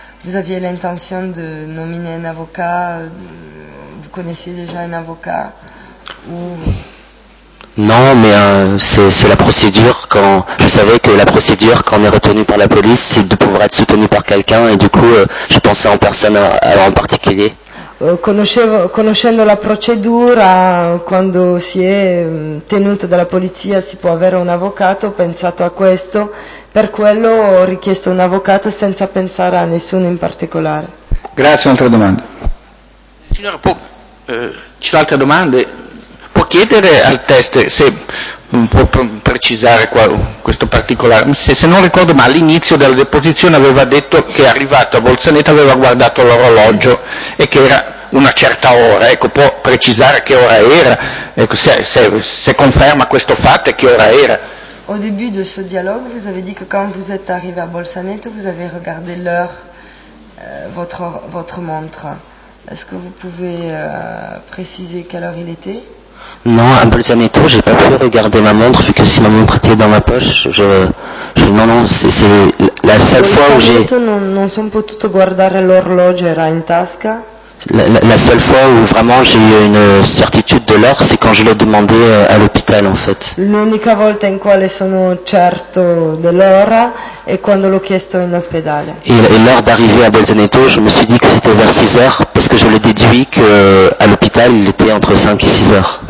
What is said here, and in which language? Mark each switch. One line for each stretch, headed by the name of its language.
French: Vous aviez l'intention de nominer un avocat? Vous connaissiez déjà un avocat? Non, mais c'est la procédure. Quand je savais que la procédure, quand on est retenu par la police, c'est de pouvoir être soutenu par quelqu'un, et du coup, je pensais en personne, en particulier.
Italian: Conoscendo la procedura, quando si è tenuto dalla polizia, si può avere un avvocato. Ho pensato a questo, per quello ho richiesto un avvocato senza pensare a nessuno in particolare. Grazie. Un'altra domanda. Signora, ci sono altre domande? Può chiedere al test se può precisare questo particolare? Se non ricordo male, all'inizio della deposizione aveva detto che è arrivato a Bolzaneto, aveva guardato l'orologio e che era una certa ora. Ecco, può precisare che ora era? Ecco, se conferma questo fatto, e che ora era?
French: Au début de ce dialogue, vous avez dit que quand vous êtes arrivé à Bolzaneto, vous avez regardé l'heure, votre montre. Est-ce que vous pouvez préciser quelle heure il était? Non, à Bolzaneto, j'ai pas pu regarder ma montre, vu que si ma montre était dans ma poche, c'est la seule fois où j'ai...
Italian: Non sono potuto guardare l'orologio, era in tasca.
French: La seule fois où vraiment j'ai eu une certitude de l'heure, c'est quand je l'ai demandé à l'hôpital, en fait.
Italian: L'unica volta in quale sono certo dell'ora è quando l'ho chiesto in ospedale.
French: Et l'heure d'arrivée à Bolzaneto, je me suis dit que c'était vers 6 heures, parce que je l'ai déduit qu'à l'hôpital, il était entre 5 et 6 heures.